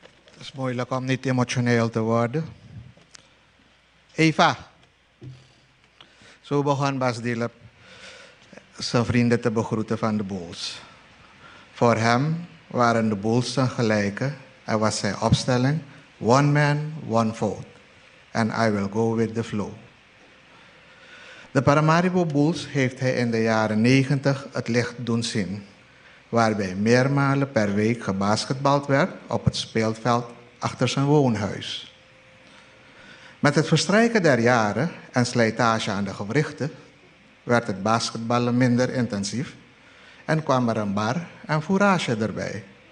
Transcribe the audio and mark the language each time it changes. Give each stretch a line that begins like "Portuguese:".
Dutch: Het is moeilijk om niet emotioneel te worden. Eva. Zo begon Bas Dilip zijn vrienden te begroeten van de Bulls. Voor hem waren de Bulls zijn gelijken. Hij was zijn opstelling.
English: One man, one vote. And I will go with the flow.
Dutch: De Paramaribo Bulls heeft hij in de jaren 90 het licht doen zien. Waarbij meermalen per week gebasketbald werd op het speelveld achter zijn woonhuis. Met het verstrijken der jaren en slijtage aan de gewrichten werd het basketballen minder intensief en kwam er een bar en fourage erbij.